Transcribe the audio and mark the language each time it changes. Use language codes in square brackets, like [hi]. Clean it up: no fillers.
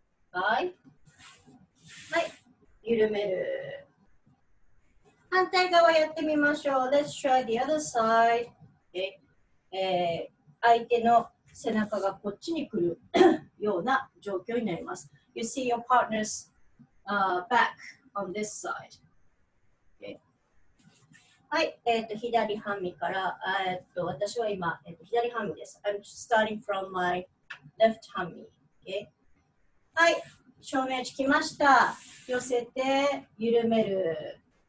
[ja] はい。はい。緩める。反対側やってみましょう。 [en] Let's try the other side. Okay. [ja] 相手の背中がこっちに来るような状況になります。 [en] You see your partner's back on this side.、Okay. [ja] はい、左半身から、私は今、左半身です。 [en] I'm starting from my left 半身、okay. [ja] はい、正面来ました。寄せて、緩める。